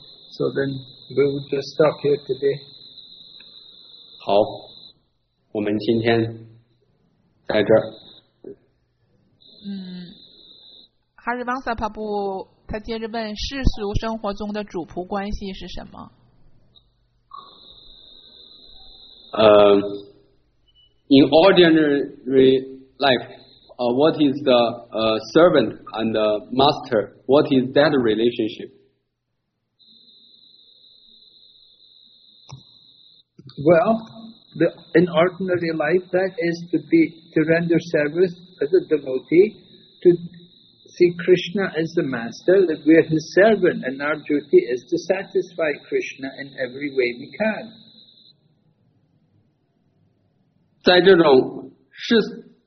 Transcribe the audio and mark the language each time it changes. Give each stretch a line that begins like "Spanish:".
English: so then we will just stop here today.
Chinese: 好，我们今天在这儿。哈日邦萨帕布。他接着问世俗生活中的主仆关系是什么？
English: In ordinary life, what is the servant and the master? What is that relationship? Well, in ordinary life, that is to render service as a devotee to see Krishna as the master, that we are his servant, and our duty is to satisfy Krishna in every way we can.